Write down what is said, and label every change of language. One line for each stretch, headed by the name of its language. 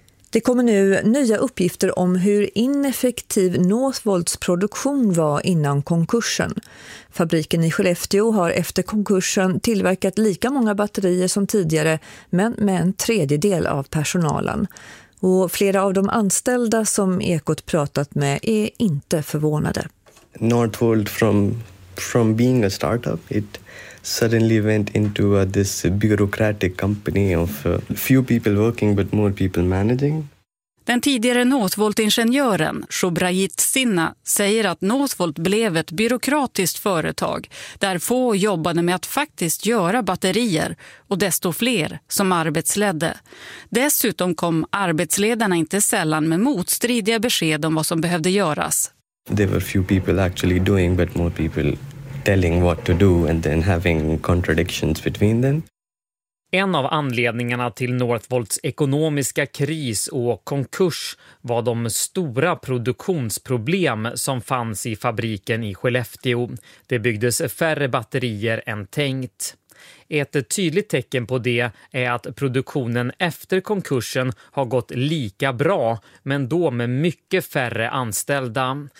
Swedish: Det kommer nu nya uppgifter om hur ineffektiv Northvolts produktion var innan konkursen. Fabriken i Skellefteå har efter konkursen tillverkat lika många batterier som tidigare men med en tredjedel av personalen. Och flera av de anställda som Ekot pratat med är inte förvånade.
English: Northvolt from being a startup, it suddenly went into this bureaucratic company of few people working but more people managing.
Swedish: Den tidigare Northvolt-ingenjören Shobrajit Sinna säger att Northvolt blev ett byråkratiskt företag där få jobbade med att faktiskt göra batterier och desto fler som arbetsledde. Dessutom kom arbetsledarna inte sällan med motstridiga besked om vad som behövde göras.
English: There were few people actually doing but more people telling what to do and then having contradictions between them.
Swedish: En av anledningarna till Northvolts ekonomiska kris och konkurs var de stora produktionsproblem som fanns i fabriken i Skellefteå. Det byggdes färre batterier än tänkt. Ett tydligt tecken på det är att produktionen efter konkursen har gått lika bra, men då med mycket färre anställda.